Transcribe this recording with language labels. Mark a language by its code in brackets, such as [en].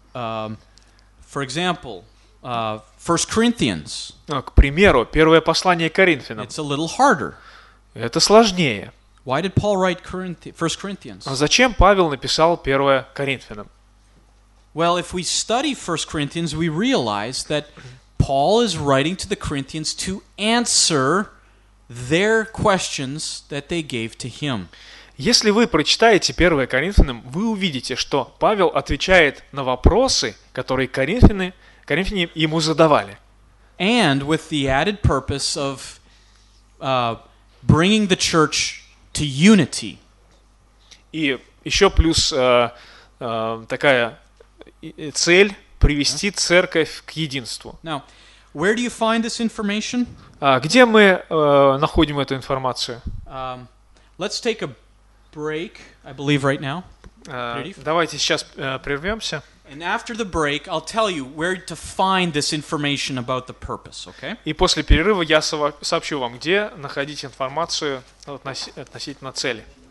[en] For example, 1 Corinthians. [ru] К примеру, первое послание Коринфянам. [en] It's a little harder. [ru] Это сложнее. [en] Why did Paul write 1 Corinthians? [ru] А зачем Павел написал первое Коринфянам? [en] Well, if we study 1 Corinthians, we realize that Paul is writing to the Corinthians to answer their questions that they gave to him. [ru] Если вы прочитаете 1 Коринфянам, вы увидите, что Павел отвечает на вопросы, которые коринфяне ему задавали. [en] And with the added purpose of bringing the church to unity. [ru] И еще плюс такая цель привести церковь к единству. [en] Now, where do you find this information? [ru] Где мы находим эту информацию? [en] Let's take a break, I believe, right now. [ru] Давайте сейчас прервемся. [en] And after the break, I'll tell you where to find this information about the purpose, okay? [ru] И после перерыва я сообщу вам, где находить информацию относительно цели.